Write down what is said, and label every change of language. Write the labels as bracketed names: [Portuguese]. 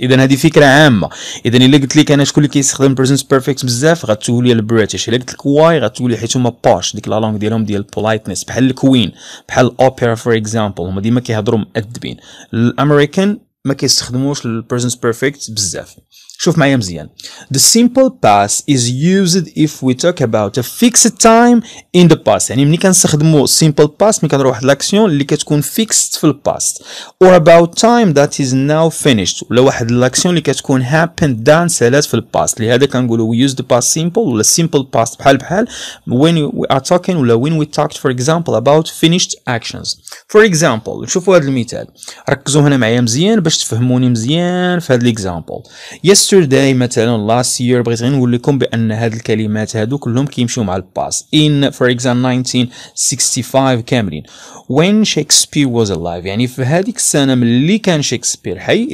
[Arabic] اذا هذه فكره عامه، اذا الا قلت لك انا شكون اللي كيستخدم present perfect بزاف غتقول لي البريتش، الا قلت لك واي غتقول لي حيت هما posh ديك لا لونغ ديالهم ديال politeness بحال الكوين بحال الاوبرا [English] for example, [Arabic] هما ديما كيهضروا مؤدبين. الامريكان ما كيستخدموش البريزنس بيرفكت بزاف. شوف معايا مزيان. [English] The simple past is used if we talk about a fixed time in the past. [Arabic] يعني ملي كنستخدموا simple past ملي كنهضروا واحد لاكسيون اللي كتكون fixed في الباست. [English] Or about time that is now finished. [Arabic] ولا واحد لاكسيون اللي كتكون [English] happened done [Arabic] سالات في الباست. لهذا كنقولوا [English] we use the past simple ولا simple past [Arabic] بحال بحال. [English] When we are talking [Arabic] ولا [English] when we talked for example about finished actions. For example [Arabic] شوفوا هذا المثال. ركزوا هنا معايا مزيان باش تفهموني مزيان في هذا الاكزامبل. Yesterday مثلا [English] last year [Arabic] بغيت غير نقول لكم بان هاد الكلمات هادو كلهم كيمشيو مع الباس. [English] In for example 1965 [Arabic] كاملين. [English] When Shakespeare was alive [Arabic] يعني في هذيك السنه ملي كان شكسبير حي.